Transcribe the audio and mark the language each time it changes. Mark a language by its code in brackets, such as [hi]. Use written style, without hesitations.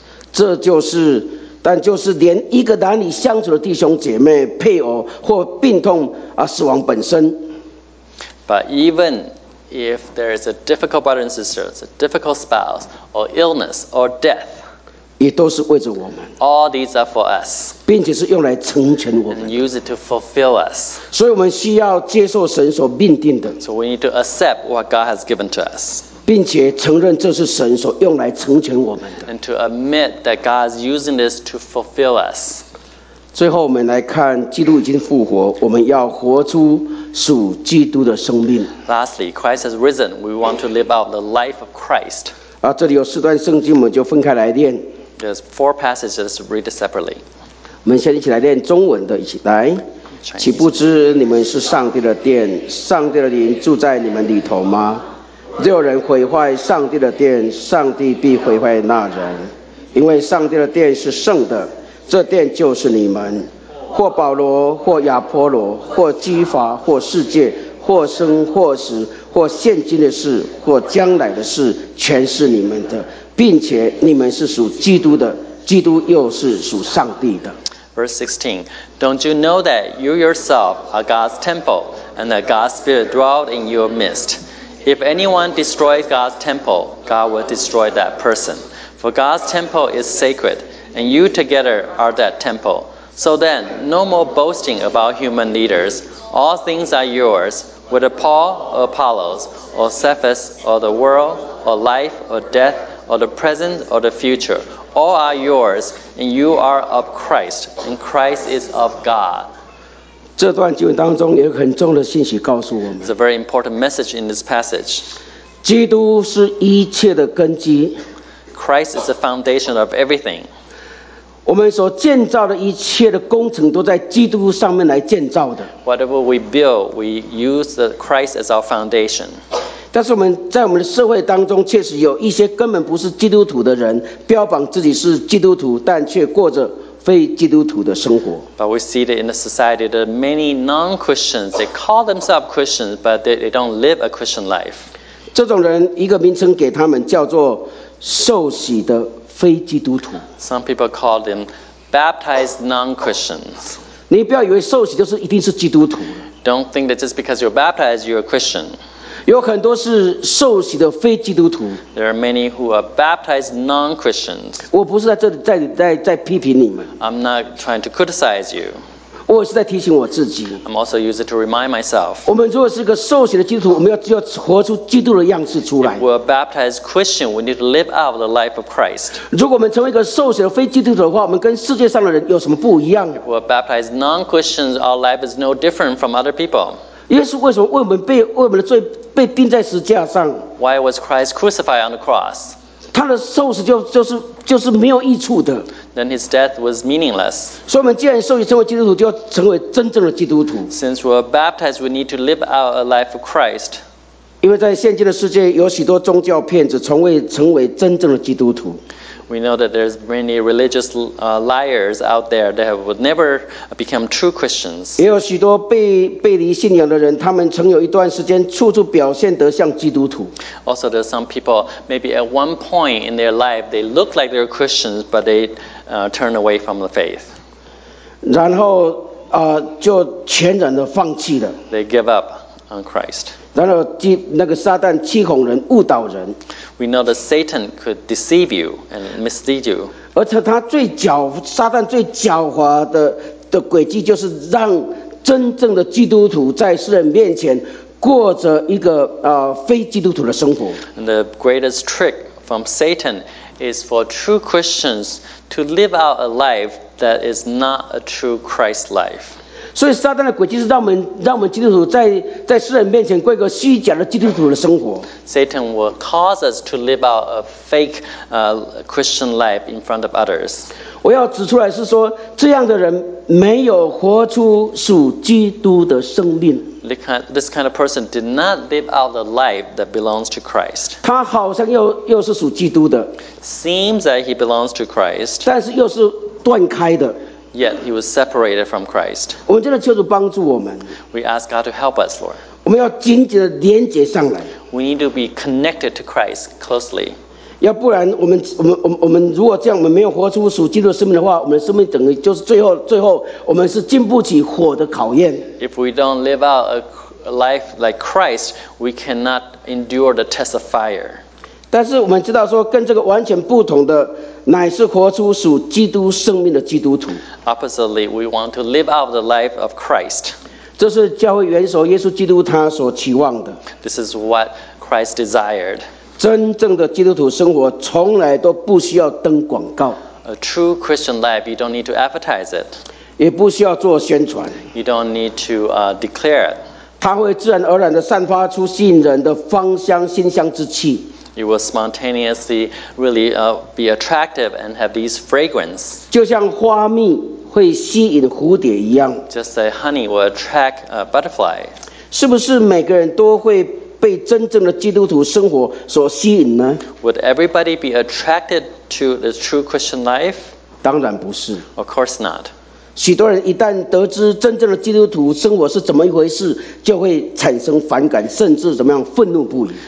[zh] 这就是，但就是连一个难以相处的弟兄姐妹、配偶或病痛啊，死亡本身。 [en] But even if there is a difficult brother and sister, a difficult spouse, or illness, or death, [zh] 也都是为着我们。 [en] All these are for us. [zh] 并且是用来成全我们。 [en] And use it to fulfill us. [zh] 所以我们需要接受神所命定的。 [en] So we need to accept what God has given to us. [zh] 并且承认这是神所用来成全我们的。 [en] And to admit that God is using this to fulfill us. [zh] 最后我们来看，基督已经复活，我们要活出属基督的生命。 [en] Lastly, Christ has risen. We want to live out the life of Christ. [zh] 啊，这里有四段圣经，我们就分开来念。 [en] There's four passages to read separately. [zh] 我们先一起来念中文的，一起来。岂不知你们是上帝的殿，上帝的灵住在你们里头吗？若有人毁坏上帝的殿，上帝必毁坏那人，因为上帝的殿是圣的，这殿就是你们。或保罗，或亚波罗，或基法，或世界，或生或死，或现今的事，或将来的事，全是你们的，并且你们是属基督的，基督又是属上帝的。 [en] Verse 16. Don't you know that you yourself are God's temple, and that God's spirit dwells in your midst? If anyone destroys God's temple, God will destroy that person. For God's temple is sacred, and you together are that temple. So then, no more boasting about human leaders. All things are yours, whether Paul or Apollos, or Cephas, or the world, or life, or death, or the present, or the future. All are yours, and you are of Christ, and Christ is of God. [zh] 这段经文当中有很重的信息告诉我们。 [en] It's a very important message in this passage. [zh] 基督是一切的根基。 [en] Christ is the foundation of everything. [zh] 我们所建造的一切的工程都在基督上面来建造的。 [en] Whatever we build, we use the Christ as our foundation. [zh] 但是我们在我们的社会当中确实有一些根本不是基督徒的人，标榜自己是基督徒，但却过着非基督徒的生活。 [en] But we see that in the society that many non-Christians, they call themselves Christians, but they don't live a Christian life. [zh] 这种人一个名称给他们叫做受洗的非基督徒。 [en] Some people call them baptized non-Christians. [zh] 你不要以为受洗就是一定是基督徒。 [en] Don't think that just because you're baptized, you're a Christian. [zh] 有很多是受洗的非基督徒。 [en] There are many who are baptized non-Christians. [zh] 我不是在这里在批评你们。 [en] I'm not trying to criticize you. [zh] 我是在提醒我自己。 [en] I'm also using it to remind myself. [zh] 我们如果是一个受洗的基督徒，我们要活出基督的样式出来。 [en] If we're a baptized Christian, we need to live out the life of Christ. [zh] 如果我们成为一个受洗的非基督徒的话，我们跟世界上的人有什么不一样？ [en] If we're baptized non-Christians, our life is no different from other people. [zh] 耶稣为什么为我们的罪被钉在十字架上 [en] ？Why was Christ crucified on the cross？ [zh] 他的受死就是没有益处的。 [en] Then his death was meaningless。 [zh] 所以，我们既然受洗成为基督徒，就要成为真正的基督徒。 [en] Since we're baptized, we need to live out a life of Christ。 [zh] 因为在现今的世界，有许多宗教骗子从未成为真正的基督徒。 [en] We know that there's many religious liars out there that would never become true Christians. [zh] 也有许多背离信仰的人，他们曾有一段时间处处表现得像基督徒。 [en] Also, there are some people maybe at one point in their life they look like they're Christians, but they turn away from the faith. [zh] 然后就全然的放弃了。 [en] They give up on Christ. [zh] 然后那个撒旦欺哄人，误导人。 [en] We know that Satan could deceive you and mislead you. [zh] 而且他最狡，撒旦最狡猾的的轨迹就是让真正的基督徒在世人面前过着一个非基督徒的生活。 [en] And the greatest trick from Satan is for true Christians to live out a life that is not a true Christ life. [zh] 所以撒旦的诡计是让我们基督徒在世人面前过一个虚假的基督徒的生活。 [en] Satan will cause us to live out a fake Christian life in front of others. [zh] 我要指出来是说，这样的人没有活出属基督的生命。 [en] This kind of person did not live out the life that belongs to Christ. [zh] 他好像又是属基督的。 [en] Seems that he belongs to Christ. [zh] 但是又是断开的。 [en] Yet he was separated from Christ. [zh] 我们真的求主帮助我们。 [en] We ask God to help us, Lord. [zh] 我们要紧紧的连接上来。 [en] We need to be connected to Christ closely. [zh] 要不然我们如果这样，我们没有活出属基督的生命的话，我们的生命等于就是最后我们是经不起火的考验。 [en] If we don't live out a life like Christ, we cannot endure the test of fire. [zh] 但是我们知道说，跟这个完全不同的，乃是活出属基督生命的基督徒。 [en] Oppositely, we want to live out the life of Christ. [zh] 这是教会元首耶稣基督他所期望的。 [en] This is what Christ desired. [zh] 真正的基督徒生活从来都不需要登广告。 [en] A true Christian life, you don't need to advertise it. [zh] 也不需要做宣传。 [en] You don't need to declare it. [zh] 它会自然而然地散发出吸引人的芳香、馨香之气。 [en] It will spontaneously really be attractive and have these fragrance. [zh] 就像花蜜会吸引蝴蝶一样。 [en] Just like honey will attract a butterfly. [zh] 是不是每个人都会被真正的基督徒生活所吸引呢？ [en] Would everybody be attracted to the true Christian life? [zh] 当然不是。 [en] Of course not. [zh] 许多人一旦得知真正的基督徒生活是怎么一回事，就会产生反感，甚至怎么样愤怒不已。